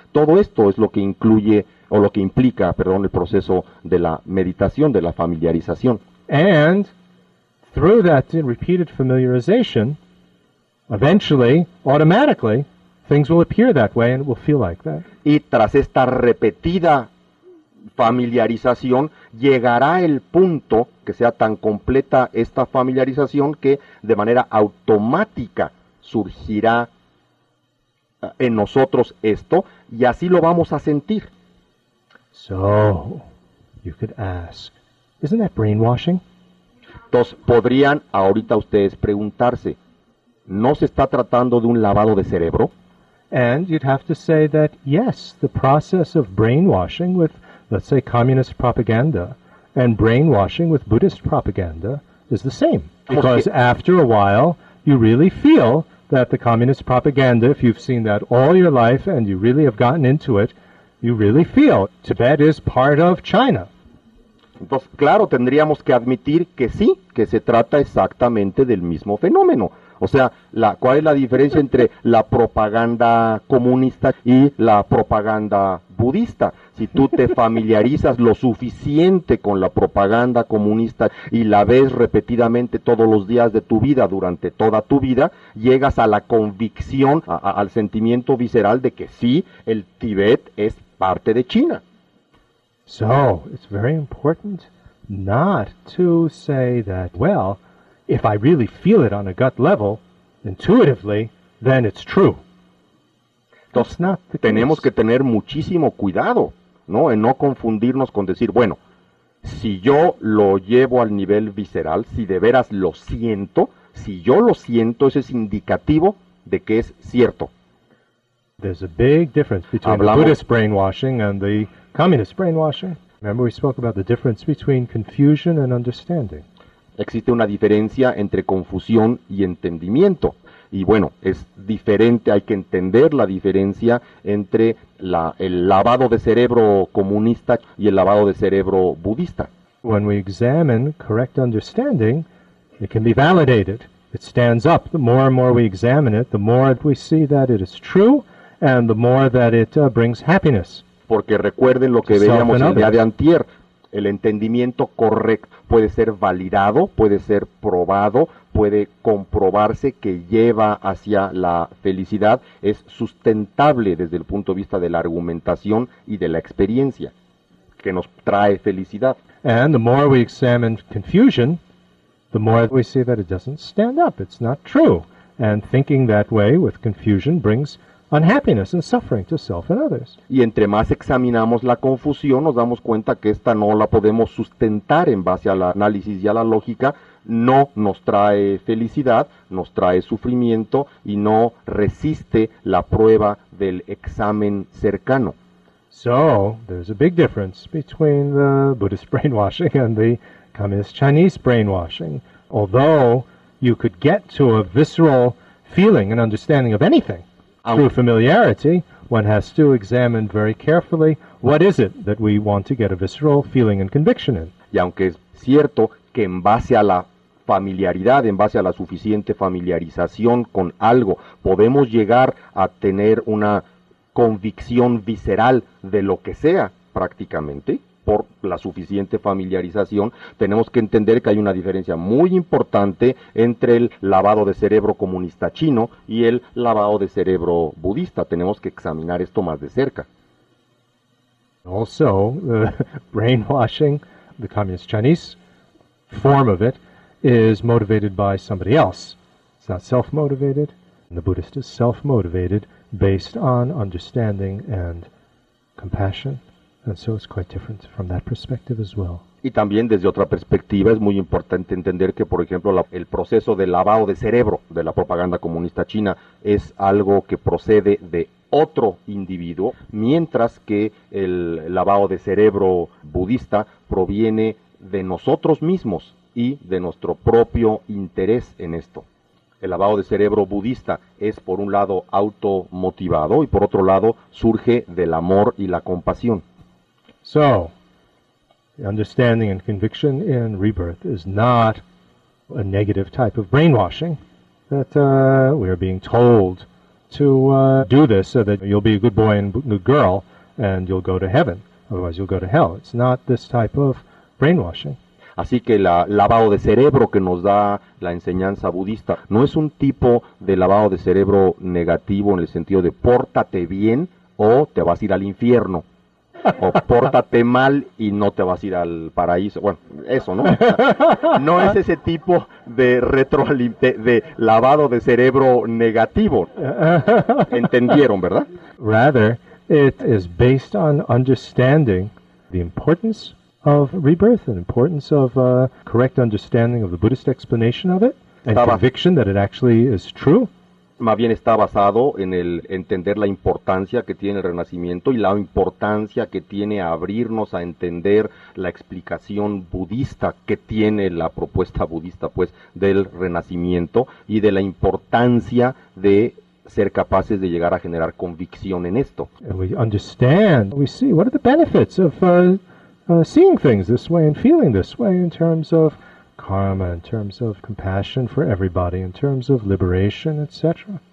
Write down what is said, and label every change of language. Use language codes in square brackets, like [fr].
[es] Todo esto es lo que incluye, o lo que implica, perdón, el proceso de la meditación, de la familiarización. [en] And through that repeated familiarization, eventually, automatically, things will appear that way and it will feel like that. [es] Y tras esta repetida familiarización, llegará el punto que sea tan completa esta familiarización que de manera automática surgirá en nosotros esto y así lo vamos a sentir. [en] So, you could ask, isn't that brainwashing? [es] Entonces, podrían ahorita ustedes preguntarse, ¿no se está tratando de un lavado de cerebro? [en] And you'd have to say that, yes, the process of brainwashing with, let's say, communist propaganda and brainwashing with Buddhist propaganda is the same. Because after a while, you really feel that the communist propaganda, if you've seen that all your life and you really have gotten into it, you really feel Tibet is part of China. [es] Entonces, claro, tendríamos que admitir que sí, que se trata exactamente del mismo fenómeno. O sea, ¿cuál es la diferencia entre la propaganda comunista y la propaganda budista? Si tú te familiarizas lo suficiente con la propaganda comunista y la ves repetidamente todos los días de tu vida, durante toda tu vida, llegas a la convicción, al sentimiento visceral de que sí, el Tíbet es parte de China. [en] So, it's very important not to say that, well, if I really feel it on a gut level, intuitively, then it's true. [es] Entonces, tenemos que tener muchísimo cuidado, ¿no? En no confundirnos con decir, bueno, si yo lo llevo al nivel visceral, si de veras lo siento, si yo lo siento, ese es indicativo de que es cierto. [en] There's a big difference between Buddhist brainwashing and the communist brainwashing. Remember we spoke about the difference between confusion and understanding. [es] Existe una diferencia entre confusión y entendimiento. Y bueno, es diferente, hay que entender la diferencia entre el lavado de cerebro comunista y el lavado de cerebro budista. [en] When we examine correct understanding, it can be validated. It stands up. The more and more we examine it, the more we see that it is true and the more that it brings happiness. [es] Porque recuerden lo que veíamos el día de antier. El entendimiento correcto puede ser validado, puede ser probado, puede comprobarse que lleva hacia la felicidad, es sustentable desde el punto de vista de la argumentación y de la experiencia, que nos trae felicidad. [en] And the more we examine confusion, the more we see that it doesn't stand up, it's not true. And thinking that way with confusion brings unhappiness and suffering to self and others. [es] Y entre más examinamos la confusión, nos damos cuenta que esta no la podemos sustentar en base al análisis y a la lógica, no nos trae felicidad, nos trae sufrimiento y no resiste la prueba del examen cercano. [en] So, there's a big difference between the Buddhist brainwashing and the communist Chinese brainwashing. Although you could get to a visceral feeling and understanding of anything through familiarity, one has to examine very carefully what is it that we want to get a visceral feeling and conviction in. [es] Y aunque es cierto que en base a la familiaridad, en base a la suficiente familiarización con algo, podemos llegar a tener una convicción visceral de lo que sea prácticamente, por la suficiente familiarización, tenemos que entender que hay una diferencia muy importante entre el lavado de cerebro comunista chino y el lavado de cerebro budista. Tenemos que examinar esto más de cerca. [en] Also, the brainwashing, the communist Chinese form of it, is motivated by somebody else. It's not self-motivated. The Buddhist is self-motivated based on understanding and compassion. And so it's quite different from that perspective as well. [es] Y también desde otra perspectiva es muy importante entender que, por ejemplo, el proceso de lavado de cerebro de la propaganda comunista china es algo que procede de otro individuo, mientras que el lavado de cerebro budista proviene de nosotros mismos y de nuestro propio interés en esto. El lavado de cerebro budista es, por un lado, automotivado y, por otro lado, surge del amor y la compasión. [en] So, understanding and conviction in rebirth is not a negative type of brainwashing that we are being told to do this so that you'll be a good boy and good girl and you'll go to heaven, otherwise you'll go to hell. It's not this type of brainwashing. [es] Así que el lavado de cerebro que nos da la enseñanza budista no es un tipo de lavado de cerebro negativo en el sentido de pórtate bien o te vas a ir al infierno. O pórtate mal y no te vas a ir al paraíso. Bueno, eso, ¿no? No es ese tipo de de lavado de cerebro negativo. ¿Entendieron, verdad? [en] Rather, it is based on understanding the importance of rebirth and importance of correct understanding of the Buddhist explanation of it and conviction that it actually is true. [es] Más bien está basado en el entender la importancia que tiene el renacimiento y la importancia que tiene abrirnos a entender la explicación budista que tiene la propuesta budista, pues, del renacimiento y de la importancia de ser capaces de llegar a generar convicción en esto. [en] And we understand, we see, what are the benefits of seeing things this way and feeling this way in terms of karma, in terms of compassion for everybody, in terms of liberation, etc.